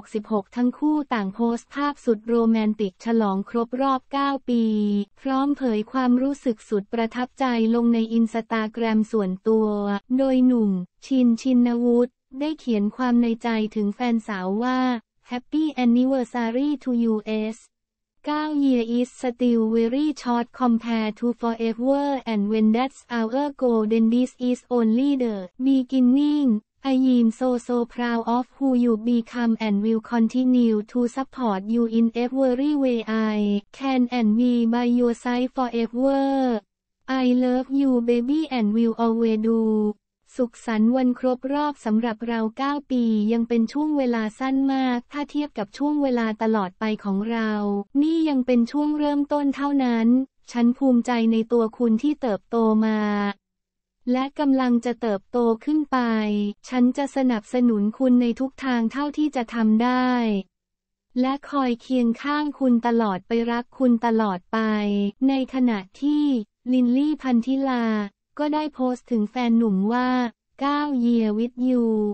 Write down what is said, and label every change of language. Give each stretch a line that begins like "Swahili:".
Thai: 66ทั้งคู่ต่างโพสต์ภาพสุดโรแมนติกฉลองครบรอบ9ปีพร้อมเผยความรู้สึกสุดประทับใจลงในอินสตาแกรมส่วนตัวโดยหนุ่มชินชินวุฒิได้เขียนความในใจถึงแฟนสาวว่า
English: Happy anniversary to you. 9 year is still very short compared to forever and when that's our goal then this is only the beginning. I am so so proud of who you become and will continue to support you in every way I can and be by your side forever. I love you baby and will always do.
Thai: สุขสันต์วันครบรอบสำหรับเรา9ปียังเป็นช่วงเวลาสั้นมากถ้าเทียบกับช่วงเวลาตลอดไปของเรานี่ยังเป็นช่วงเริ่มต้นเท่านั้นฉันภูมิใจในตัวคุณที่เติบโตมา และกำลังจะเติบโตขึ้นไปฉันจะสนับสนุนคุณในทุกทางเท่าที่จะทำได้และคอยเคียงข้างคุณตลอดไปรักคุณตลอดไปในขณะที่ลินลี่พันธิลาก็ได้โพสต์ถึงแฟนหนุ่มว่า
English: 9 year with you